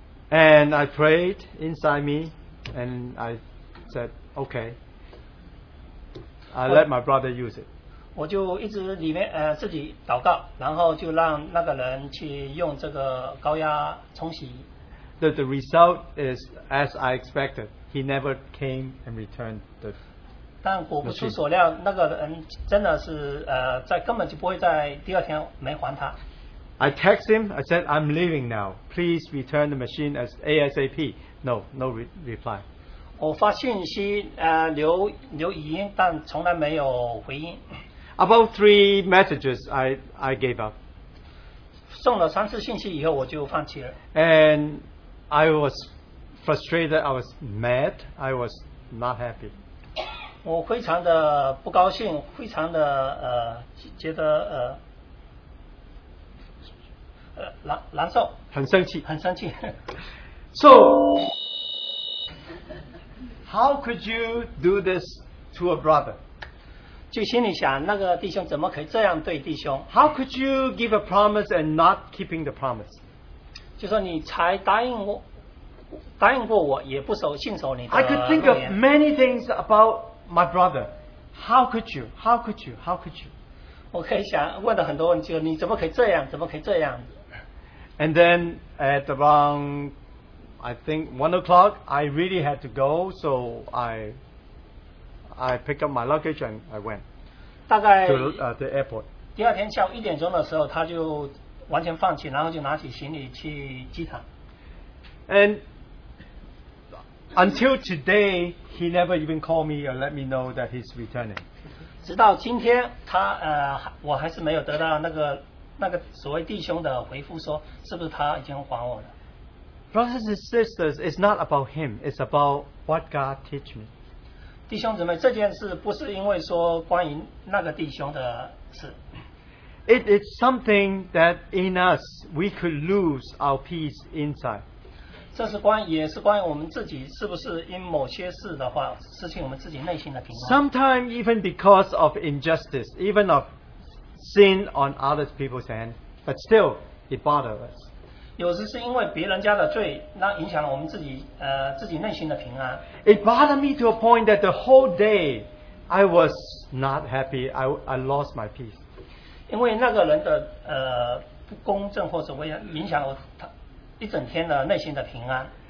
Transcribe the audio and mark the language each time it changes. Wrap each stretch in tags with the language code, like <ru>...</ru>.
<en>And I prayed inside me, and I said, okay. I let my brother use it.</en> <zh>我就一直里面自己祷告，然后就让那个人去用这个高压冲洗。</zh> <en>The result is as I expected. He never came and returned the</en> <zh>但果不出所料，那个人真的是在根本就不会在第二天没还他。</zh> <en>I text him. I said, "I'm leaving now. Please return the machine as ASAP." No, no reply.</en> <zh>我发信息留语音，但从来没有回音。</zh> <en>About three messages, I gave up.</en> <zh>送了三次信息以后，我就放弃了。</zh> <en>And I was frustrated. I was mad. I was not happy.</en> <zh>我非常的不高兴，非常的觉得难受，很生气。</zh> <en>So, how could you do this to a brother?</en> <zh>就心里想，那个弟兄怎么可以这样对弟兄？</zh> <en>How could you give a promise and not keeping the promise?</en> <zh>就说你才答应过我，也不守信守你的诺言。</zh> <en>I could think of many things about my brother. How could you?</en> <zh>我可以想问的很多问题，你怎么可以这样？怎么可以这样？</zh> <en>And then at around, I think, 1 o'clock, I really had to go, so I picked up my luggage and I went</en> <zh>大概,</zh> <en>to the airport.</en> <zh>第二天下午一点钟的时候，他就完全放弃，然后就拿起行李去机场。</zh> <en>And until today, he never even called me or let me know that he's returning.</en> <zh>直到今天，他我还是没有得到那个所谓弟兄的回复，说是不是他已经还我了。</zh> <en>Brothers and sisters, it's not about him. It's about what God teach me.</en> <zh>弟兄姊妹，这件事不是因为说关于那个弟兄的事。</zh> <en>It is something that in us we could lose our peace inside.</en> <zh>也是关于我们自己是不是因某些事的话失去我们自己内心的平安。</zh> <en>Sometimes even because of injustice, even of sin on other people's hand, but still it bothers us.</en> <zh>有时是因为别人家的罪，那影响了我们自己自己内心的平安。</zh> <en>It bothered me to a point that the whole day I was not happy. I lost my peace.</en> <zh>因为那个人的不公正或者为影响了我他一整天的内心的平安。</zh>